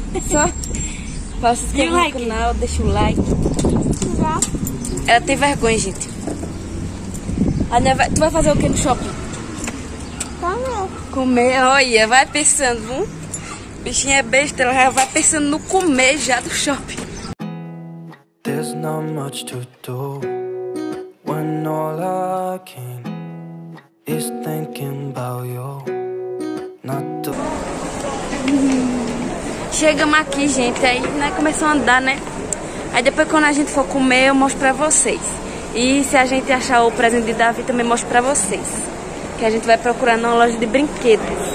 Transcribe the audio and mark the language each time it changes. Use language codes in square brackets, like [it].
[pt] Só pra se inscrever no canal, deixa o like. Ela tem vergonha, gente. Tu vai fazer o que no shopping? Comer. Olha, vai pensando, viu? Bichinha é besta, ela já vai pensando no comer já do shopping. [en] There's not much to do when all I can is thinking about you. Not to... [pt] Chegamos aqui, gente, aí né, começou a andar, né? Aí depois quando a gente for comer, eu mostro pra vocês. E se a gente achar o presente de Davi, também mostro pra vocês. Que a gente vai procurar numa loja de brinquedos.